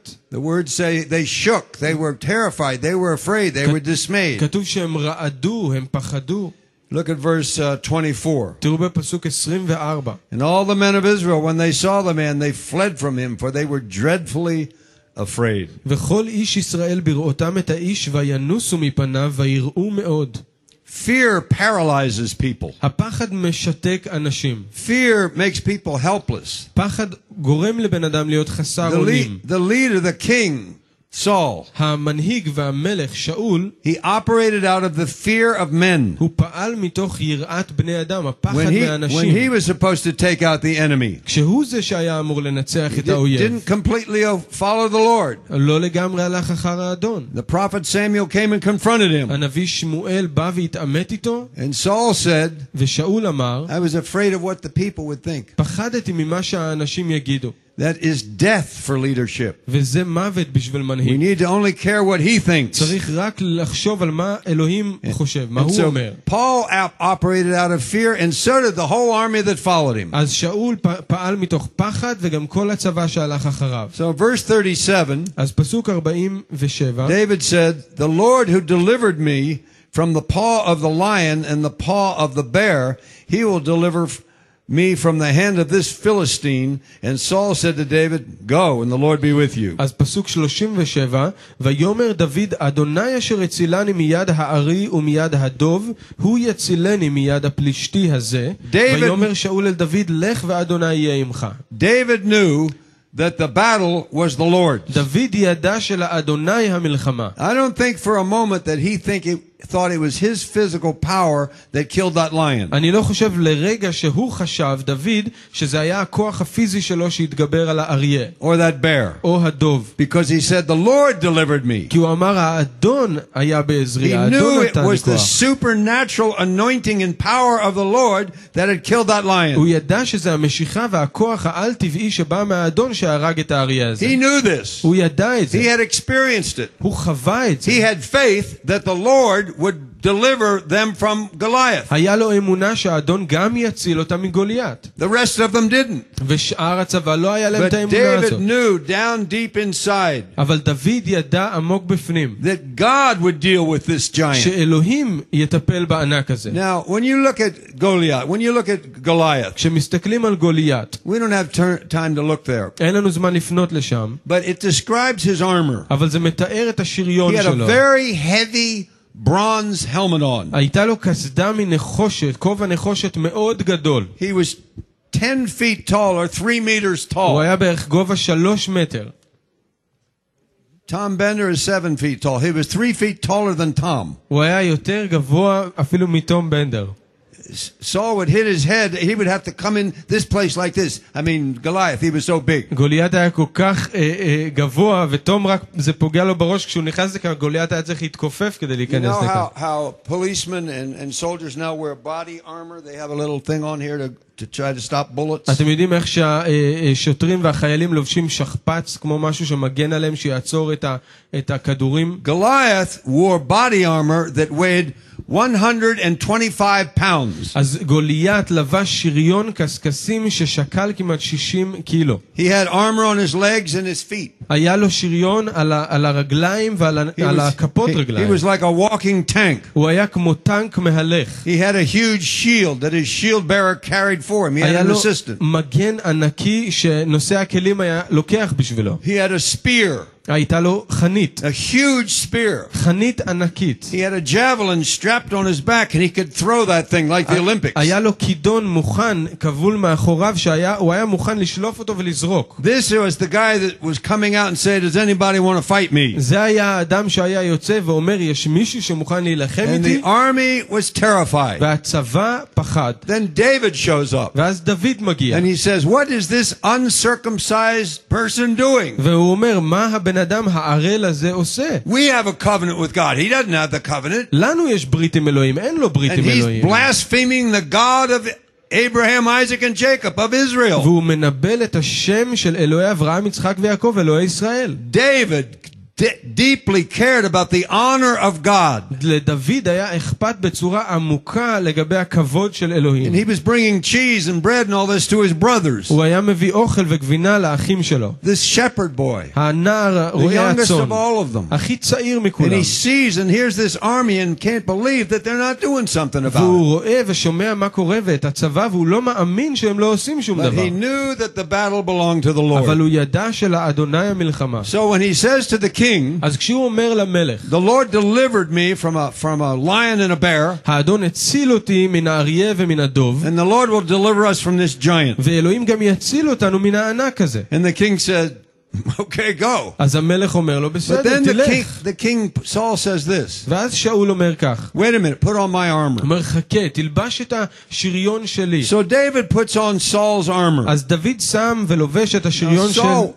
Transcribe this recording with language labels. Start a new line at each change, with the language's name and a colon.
English: The words say they shook, they were terrified, they were afraid, they were dismayed.
Hebrew: כתוב שהם רעדו, הם פחדו.
English: Look at verse 24.
Hebrew: תראו בפסוק 24.
English: And all the men of Israel, when they saw the man, they fled from him, for they were dreadfully afraid.
Hebrew: וכל איש ישראל בראותם את האיש וינוסו מפניו ויראו מאוד.
English: Fear paralyzes people.
Hebrew: הפחד משתק אנשים.
English: Fear makes people helpless.
Hebrew: פחד גורם לבן אדם להיות חסר אונים.
English: The leader, the king, Saul.
Hebrew: המנהיג והמלך שאול.
English: He operated out of the fear of men.
Hebrew: הוא פעל מתוך יראת בני אדם, הפחד מאנשים.
English: When he was supposed to take out the enemy.
Hebrew: כשהוא זה שהיה אמור לנצח את האויב.
English: Didn't completely follow the Lord.
Hebrew: לא לגמרי הלך אחר האדון.
English: The prophet Samuel came and confronted him.
Hebrew: הנביא שמואל בא והתעמת איתו.
English: And Saul said.
Hebrew: ושאול אמר.
English: I was afraid of what the people would think.
Hebrew: פחדתי ממה שהאנשים יגידו.
English: That is death for leadership.
Hebrew: וזה מוות בשביל מנהיג.
English: We need to only care what he thinks.
Hebrew: צריך רק לחשוב על מה אלוהים חושב, מה הוא אומר.
English: Paul operated out of fear and so did the whole army that followed him.
Hebrew: אז שאול פעל מתוך פחד וגם כל הצבא שהלך אחריו.
English: So verse 37.
Hebrew: אז פסוק 47.
English: David said, "The Lord who delivered me from the paw of the lion and the paw of the bear, he will deliver me from the hand of this Philistine." And Saul said to David, "Go, and the Lord be with you."
Hebrew: אז פסוק 37, ויאמר דוד, אדוני אשר הצילני מיד הארי ומיד הדוב, הוא יצילני מיד הפלישתי הזה. ויאמר שאול אל דוד, לך ואדוני יהיה עמך.
English: David knew that the battle was the Lord's.
Hebrew: דוד ידע של אדוני המלחמה.
English: I don't think for a moment that he think it thought it was his physical power that killed that lion.
Hebrew: אני לא חושב לרגע שהוא חשב דוד שזה היה הכוח הפיזי שלו שהתגבר על האריה.
English: Or that bear.
Hebrew: או הדוב.
English: Because he said the Lord delivered me.
Hebrew: כי הוא אמר האדון היה בעזרי.
English: He knew it was the supernatural anointing and power of the Lord that had killed that lion.
Hebrew: הוא ידע שזה המשיכה והכוח העל טבעי שבא מהאדון שהרג את האריה הזה.
English: He knew this.
Hebrew: הוא ידע את זה.
English: He had experienced it.
Hebrew: הוא חווה את זה.
English: He had faith that the Lord would deliver them from Goliath.
Hebrew: היה לו אמונה שאדון גם יציל אותם מגוליית.
English: The rest of them didn't.
Hebrew: ושאר הצבא לא היה להם את האמונה הזאת.
English: But David knew down deep inside.
Hebrew: אבל דוד ידע עמוק בפנים.
English: That God would deal with this giant.
Hebrew: שאלוהים יטפל בענק הזה.
English: Now, when you look at Goliath, when you look at Goliath.
Hebrew: כשמסתכלים על גוליית.
English: We don't have time to look there.
Hebrew: אין לנו זמן לפנות לשם.
English: But it describes his armor.
Hebrew: אבל זה מתאר את השריון שלו.
English: He had a very heavy bronze helmet on.
Hebrew: הייתה לו קסדה מנחושת, כובע נחושת מאוד גדול.
English: He was 10 feet tall or 3 meters tall.
Hebrew: הוא היה בערך גובה 3 מטר.
English: Tom Bender is 7 feet tall. He was 3 feet taller than Tom.
Hebrew: הוא היה יותר גבוה אפילו מטום בנדר.
English: Saul would hit his head, he would have to come in this place like this. I mean, Goliath, he was so big.
Hebrew: גוליית היה כל כך גבוה, ותום רק זה פוגע לו בראש כשהוא נכנס לכאן, גוליית היה צריך להתכופף כדי להיכנס לכאן.
English: You know how policemen and soldiers now wear body armor? They have a little thing on here to try to stop bullets.
Hebrew: אתם יודעים איך שהשוטרים והחיילים לובשים שכפ"ץ כמו משהו שמגן עליהם שיעצור את הכדורים?
English: Goliath wore body armor that weighed 125 pounds.
Hebrew: אז גוליית לבש שריון קסקסים ששקל כמעט 60 קילו.
English: He had armor on his legs and his feet.
Hebrew: היה לו שריון על הרגליים ועל הכפות רגליים.
English: He was like a walking tank.
Hebrew: הוא היה כמו טנק מהלך.
English: He had a huge shield that his shield bearer carried for him. He had an assistant.
Hebrew: היה לו מגן ענקי שנושא הכלים היה לוקח בשבילו.
English: He had a spear.
Hebrew: הייתה לו חנית.
English: A huge spear.
Hebrew: חנית ענקית.
English: He had a javelin strapped on his back and he could throw that thing like the Olympics.
Hebrew: היה לו כידון מוכן, כבול מאחוריו, הוא היה מוכן לשלוף אותו ולזרוק.
English: This was the guy that was coming out and said, "Does anybody want to fight me?"
Hebrew: זה היה האדם שהיה יוצא ואומר, "יש מישהו שמוכן להילחם איתי?"
English: And the army was terrified.
Hebrew: והצבא פחד.
English: Then David shows up.
Hebrew: ואז דוד מגיע.
English: And he says, "What is this uncircumcised person doing?"
Hebrew: והוא אומר, "מה הבן אדם הערל הזה עושה?"
English: We have a covenant with God. He doesn't have the covenant.
Hebrew: לנו יש ברית עם אלוהים, אין לו ברית עם אלוהים.
English: And he's blaspheming the God of Abraham, Isaac and Jacob of Israel.
Hebrew: והוא מנבל את השם של אלוהי אברהם, יצחק ויעקב, אלוהי ישראל.
English: David deeply cared about the honor of God.
Hebrew: לדוד היה אכפת בצורה עמוקה לגבי הכבוד של אלוהים.
English: And he was bringing cheese and bread and all this to his brothers.
Hebrew: הוא היה מביא אוכל וגבינה לאחים שלו.
English: This shepherd boy.
Hebrew: הנער רועי הצאן.
English: The youngest of all of them.
Hebrew: הכי צעיר מכולם.
English: And he sees and hears this army and can't believe that they're not doing something about it.
Hebrew: והוא רואה ושומע מה קורה ואת הצבא והוא לא מאמין שהם לא עושים שום דבר.
English: But he knew that the battle belonged to the Lord.
Hebrew: אבל הוא ידע שלאדוני המלחמה.
English: So when he says to the king,
Hebrew: אז כשהוא אומר למלך,
English: the Lord delivered me from a lion and a bear,
Hebrew: האדון הציל אותי מן האריה ומן הדוב,
English: and the Lord will deliver us from this giant,
Hebrew: ואלוהים גם יציל אותנו מן הענק הזה,
English: and the king said, okay, go.
Hebrew: אז המלך אומר לו, בסדר,
English: but then
Hebrew: תלך.
English: the king Saul says this,
Hebrew: ואז שאול אומר כך,
English: wait a minute, put on my armor.
Hebrew: אומר, חכה, תלבש את השריון שלי.
English: So David puts on Saul's armor.
Hebrew: אז דוד שם ולובש את השריון של שאול.